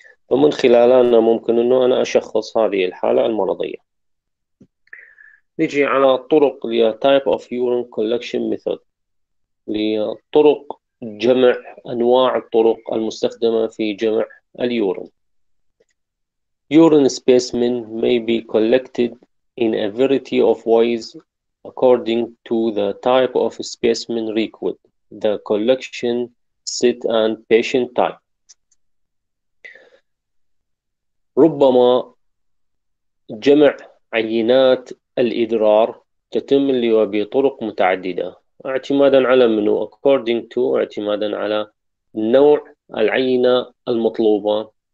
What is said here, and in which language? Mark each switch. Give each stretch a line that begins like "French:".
Arabic: فمن خلالها أنا ممكن أنه أنا أشخص هذه الحالة المرضية. نجي على طرق لـ
English: Type of Urine Collection Method،
Arabic: لطرق جمع أنواع الطرق المستخدمة في جمع اليورين.
English: Urine specimen may be collected in a variety of ways according to the type of specimen required, the collection site and patient type.
Arabic: ربما جمع عينات الإدرار تتم اللي هو بطرق متعددة اعتمادا على منه،
English: according to
Arabic: اعتمادا على نوع العينة المطلوبة،